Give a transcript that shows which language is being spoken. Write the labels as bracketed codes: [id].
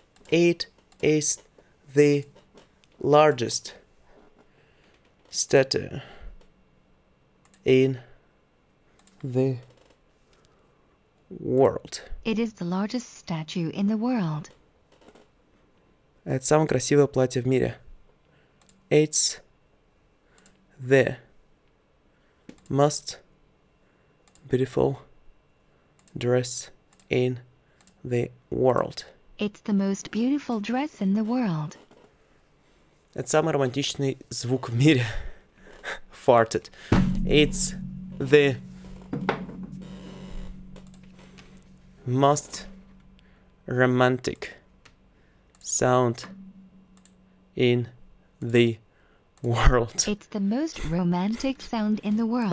[en] It is the largest statue in the world. It is the largest statue in the world. [ru] Это самое красивое платье в мире. [en] It's the most beautiful dress in the world. It's the most beautiful dress in the world. [ru] Это самый романтичный звук в мире. [en] Farted. It's the most romantic sound in the world. It's the most romantic sound in the world.